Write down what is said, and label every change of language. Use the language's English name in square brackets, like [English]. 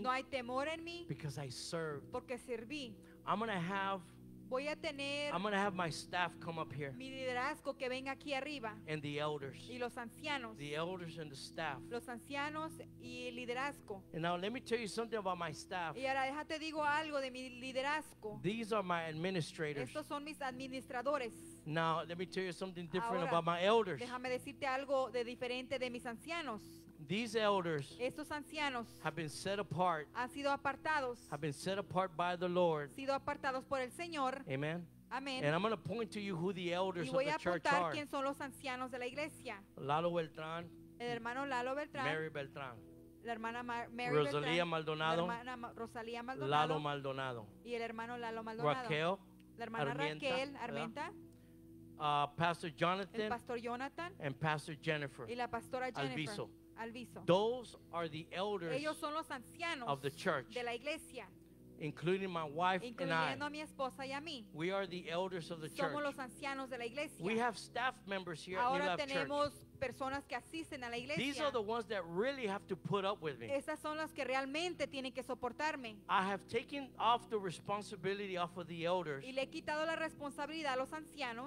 [Spanish] No hay temor en mí. [English] Because I served. [Spanish] Porque serví. [English] I'm gonna have. [Spanish] Voy a tener. [English] I'm gonna have my staff come up here. [Spanish] Mi liderazgo que venga aquí arriba. [English] And the elders. [Spanish] Y los ancianos. [English] The elders and the staff. [Spanish] Los ancianos y el liderazgo. [English] And now let me tell you something about my staff. [Spanish] Y ahora déjate digo algo de mi liderazgo. [English] These are my administrators. [Spanish] Estos son mis administradores. [English] Now let me tell you something different [Spanish] ahora, [English] about my elders. [Spanish] Déjame decirte algo de diferente de mis ancianos. [English] These elders, [Spanish] estos ancianos, [English] have been set apart. [Spanish] Han sido apartados. [English] Have been set apart by the Lord. [Spanish] Sido apartados por el Señor. [English] Amen. [Spanish] Amen. [English] And I'm going to point to you who the elders [Spanish] y voy [English] of the [Spanish] a [English] church are. [Spanish] Quién son los ancianos de la iglesia. [English] Lalo Beltrán. [Spanish] El hermano Lalo Beltrán. [English] Mary Beltrán. [Spanish] La hermana Mary Rosalía Beltrán, Maldonado. La hermana Rosalía Maldonado. [English] Lalo Maldonado. [Spanish] Y el hermano Lalo Maldonado. [English] Raquel. [Spanish] La hermana Armenta, Raquel Armenta. [English] Pastor Jonathan. [Spanish] El pastor Jonathan. [English] And Pastor Jennifer. [Spanish] Y la pastora Jennifer. [English] Alviso. [Spanish] Alviso. [English] Those are the elders [Spanish] ellos son los ancianos [English] of the church, [Spanish] de la iglesia, [English] including my wife [Spanish] incluyendo [English] and I. [Spanish] A mi esposa y a mí. [English] We are the elders of the [Spanish] somos [English] church. [Spanish] Somos los ancianos de la iglesia. [English] We have staff members here [Spanish] ahora [English] at New Life [Spanish] tenemos [English] Church. [Spanish] Personas que asisten a la iglesia. [English] These are the ones that really have to put up with me. [Spanish] Esas son las que realmente tienen que soportarme. [English] I have taken off the responsibility off of the elders [Spanish] y le he quitado la responsabilidad a los ancianos